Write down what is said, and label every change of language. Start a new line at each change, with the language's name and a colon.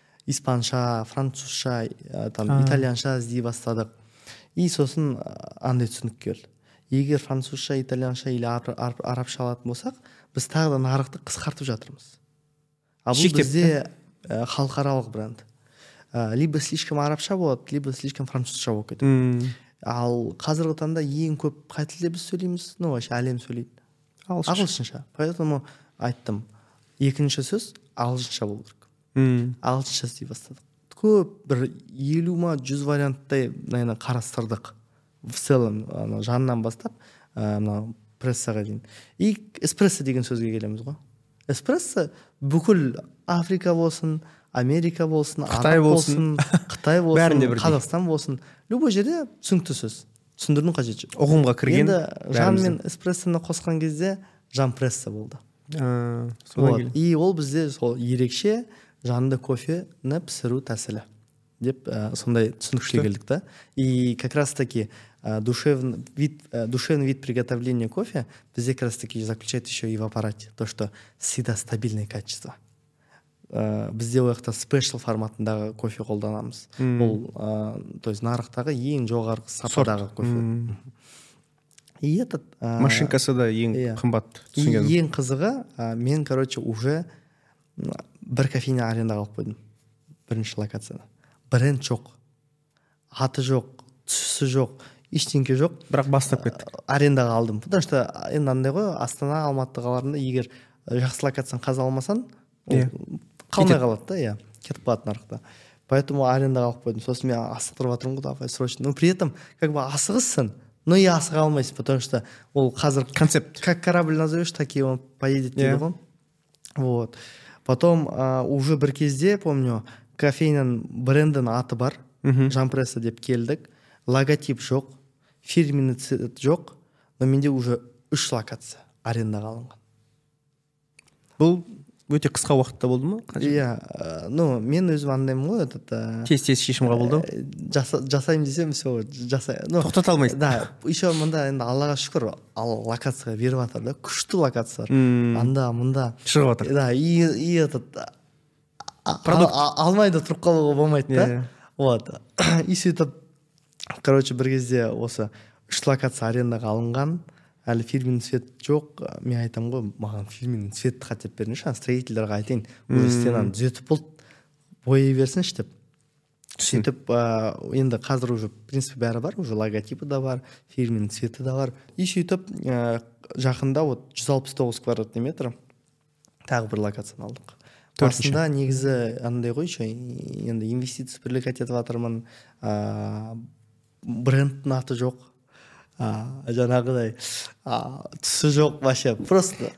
Kazakh: Испанша, французша, там итальянша іздей бастадық. И сосын андай түсінік келді. Егер французша, итальянша или арабша алатын болсақ, біз тағы да нарықты қысқартып жатырмыз. А бұл бізде халықаралық бренд. Либо слишком арабша болады, либо слишком французша болып кетеді. Ал қазіргі таңда ең көп қай тілде біз сөйлейміз? Ну, вообще әлем сөйлейді. Ағылшынша. Поэтому айттым. Екінші сөз ағылшынша болу керек. Ағылшынша істей бастадық. Көп бір 50 ма 100 варианттай мына қарастырдық. В целом, ана жанынан бастап, мына прессаға дейін. И эспрессо деген сөзге келеміз ғой. Эспрессо бүкіл Африка болсын, Америка болсын, Қытай болсын, Қытай болсын, Қазақстан болсын, любой жерде түсінікті сөз. Түсіндірудің қажеті жоқ. Ұғымға кірген. Енді жан мен эспрессоны қосқан кезде жан прессо болды. Солай. И ол бізде сол ерекше жанды кофені пісіру тәсілі. Деп, сондай түсінікке келдік та.
Russian: И как раз таки душевный вид приготовления кофе
Kazakh: бізде
Russian: как раз таки заключает еще и в аппарате. То, что всегда стабильное качество.
Kazakh: Бізде ояқта спешл форматындағы кофе қолданамыз. Бұл, то есть нарықтағы ең жоғарғы сападағы кофе. Машинкасы да ең қымбат түсінген. Ең қызығы, мен, короче, уже бір кофейне аренда қалып қойдым. Бірінші локацияны. Бренд жоқ, аты жоқ, түсі жоқ, ештеңке жоқ. Бірақ бастап кеттік. Арендаға алдым.
Russian: Потому что,
Kazakh: енді андай ғой, Астана, Алматы қаларында егер жақсы локацияны қаза алмасаң, қалмай қалады да, кетіп қалады нарықта. Поэтому арендаға алып қойдым. Сосын мен асық тұрып отырмын ғой,
Russian: давай срочно. Но при этом, как бы
Kazakh: асығысың,
Russian: но и
Kazakh: асыға алмайсың,
Russian: потому что
Kazakh: ол қазір концепт.
Russian: Как корабль назовешь, так и он поедет,
Kazakh: дейді ғой.
Russian: Вот.
Kazakh: Потом уже бір кезде, помню, кофейнің брендінің аты бар, Жанпресса деп келдік. Логотип жоқ, фирменный жоқ, но менде уже үш локация арендаға алынған. Бұл өте қысқа уақытта болды ма? Ну, мен өзім андаймын ғой, тез-тез шешім қабылдау. Жасаймын десем, все, жасаймын. Тоқтата алмайсың. Да, еще мында енді Аллаға шүкір, ал локацияға беріп жатыр да, күшті локациялар. Анда, мында шығып жатыр. Да, и продукт алмайды, тұрып қалуға болмайды да. Вот. И сөйтіп, короче, бір кезде осы үш локация арендаға алынған. Әлі фирменный цвет жоқ, мен айтамын ғой, маған фирменный цветті қатып беріңізші, строительдерге айтайын, өз стенаны түзетіп болып бояй берсінші деп. Сөйтіп, енді қазір уже, в принципе, бәрі бар, уже логотипі да бар, фирменный цветі да бар. И сөйтіп, жақында вот 169 квадратный метр тағы бір локацияны алдық. Басында негізі андай ғой, ше, енді инвестиция привлекать атырмын, брендтің аты жоқ. Жаңағыдай түсі жоқ, вообще просто